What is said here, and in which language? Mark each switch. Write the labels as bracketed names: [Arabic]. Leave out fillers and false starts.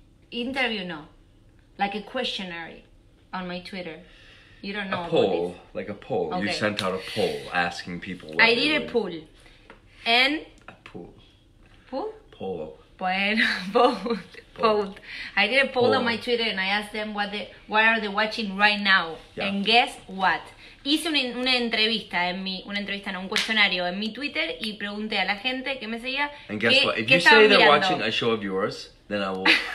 [English] Interview, no. Like a questionnaire on my Twitter. You don't know. A poll. Like a poll. Okay. You sent out a poll asking people. I did a poll. And? A poll. Poll? Poll. [Spanish] Bueno, poll. [English] I did a poll on my Twitter and I asked them what are they watching right now. Yeah. And guess what? [Spanish] Hice una entrevista en mi una entrevista no un cuestionario en mi Twitter y pregunté a la gente que me seguía [English] And guess what? If you say they're watching a show of yours, then I will.